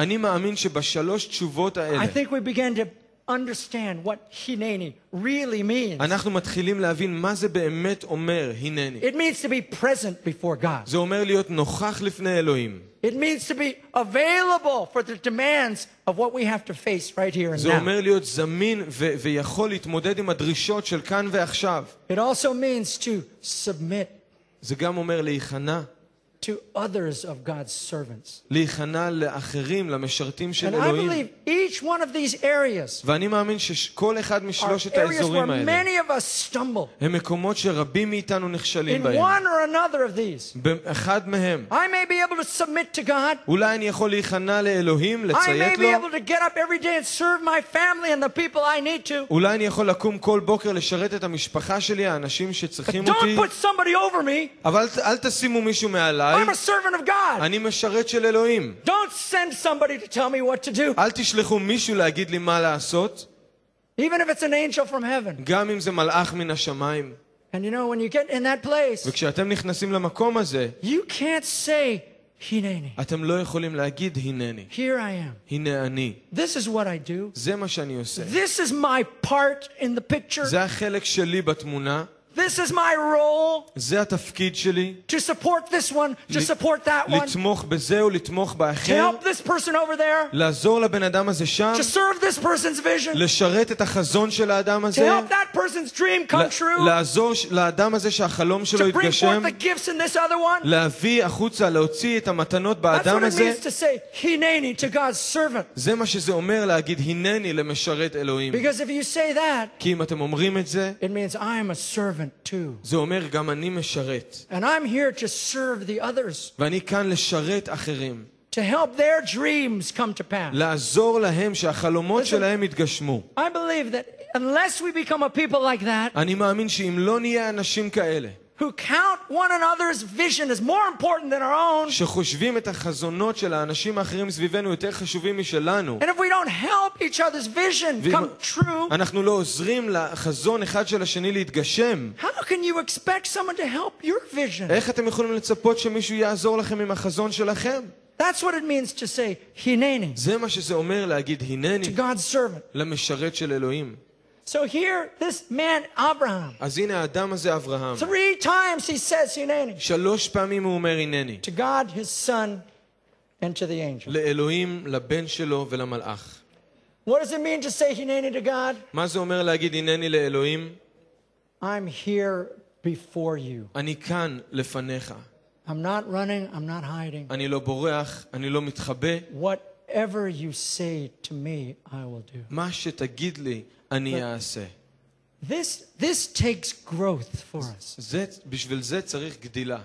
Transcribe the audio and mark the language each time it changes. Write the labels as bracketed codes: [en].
[he] אני מאמין שבשלוש תשובות האלה. [en] I think we began to understand what hineni really means. [he] אנחנו מתחילים להבין מה זה באמת אומר הנני. [en] It means to be present before God. [he] זה אומר להיות נוכח לפני אלוהים. [en] It means to be available for the demands of what we have to face right here and now. [he] זה אומר להיות זמין ויכול להתמודד עם הדרישות של כאן ועכשיו. [en] It also means to submit. [he] זה גם אומר להיכנע [en] to others of God's servants. [he] להיכנע לאחרים, למשרתים של אלוהים. [en] And I believe each one of these areas. [he] ואני מאמין שכל אחד משלושת האזורים האלה. [en] Areas where many of us stumble. [he] הם מקומות שרבים מאיתנו נכשלים בהם. [en] In one or another of these. [he] באחד מהם. [en] I may be able to submit to God. [he] אולי אני יכול להיכנע לאלוהים, לציית לו. [en] I may be able to get up every day and serve my family and the people I need to. [he] אולי אני יכול לקום כל בוקר לשרת את המשפחה שלי, האנשים שצריכים אותי. [en] But don't put somebody over me. [he] אבל אל תשימו מישהו מעל. [en] I'm a servant of God. [he] אני משרת של אלוהים. [en] Don't send somebody to tell me what to do. [he] אל תשלחו מישהו להגיד לי מה לעשות. [en] Even if it's an angel from heaven. [he] גם אם זה מלאך מן השמיים. [en] And you know when you get in that place. [he] וכשאתם נכנסים למקום הזה. [en] You can't say הנני. [he] אתם לא יכולים להגיד הנני. [en] Here I am. [he] הנה אני. [en] This is what I do. [he] זה מה שאני עושה. [en] This is my part in the picture. [he] זה החלק שלי בתמונה. [en] This is my role. [he] זה התפקיד שלי. [en] To support this one, to support that one. [he] לתמוך בזה או לתמוך באחר. [en] To help this person over there. [he] לעזור לבן אדם הזה שם. [en] To serve this person's vision. [he] לשרת את החזון של האדם הזה. [en] To help that person's dream come true. [he] לעזור לאדם הזה שהחלום שלו יתגשם. [en] To bring forth the gifts in this other one. [he] להביא החוצה, להוציא את המתנות באדם הזה. [en] That's what it means to say, "Hineni to God's servant." [he] זה מה שזה אומר להגיד, "Hineni למשרת אלוהים." [en] Because if you say that, [he] כי אם אתם אומרים את זה, [en] it means I am a servant. [he] זה אומר גם אני משרת. [en] And I'm here to serve the others. [he] ואני כאן לשרת אחרים. [en] To help their dreams come to pass. [he] לעזור להם שהחלומות שלהם יתגשמו. [en] I believe that unless we become a people like that. [he] אני מאמין שאם לא נהיה אנשים כאלה. [en] Who count one another's vision as more important than our own. [he] שחושבים את החזונות של האנשים האחרים סביבנו יותר חשובים משלנו. [en] And if we don't help each other's vision come true. [he] אנחנו לא עוזרים לחזון אחד של השני להתגשם. [en] How can you expect someone to help your vision? [he] איך אתם יכולים לצפות שמישהו יעזור לכם עם החזון שלכם? [en] That's what it means to say hineni. [he] זה מה שזה אומר להגיד הינני. [en] To God's servant. [he] למשרת של אלוהים. [en] So here this man Abraham. [he] אז הנה האדם הזה אברהם. [en] Three times he says hineni. [he] שלוש פעמים הוא אומר הינני. [en] To God his son and to the angel. [he] לאלוהים, לבן שלו ולמלאך. [en] What does it mean to say hineni to God? [he] מה זה אומר להגיד הינני לאלוהים? [en] I'm here before you. [he] אני כאן לפניך. [en] I'm not running, I'm not hiding. [he] אני לא בורח, אני לא מתחבא. [en] Whatever you say to me, I will do. [he] מה שתגיד לי אני אעשה. [en] This takes growth for us. [he] זה בשביל זה צריך גדילה.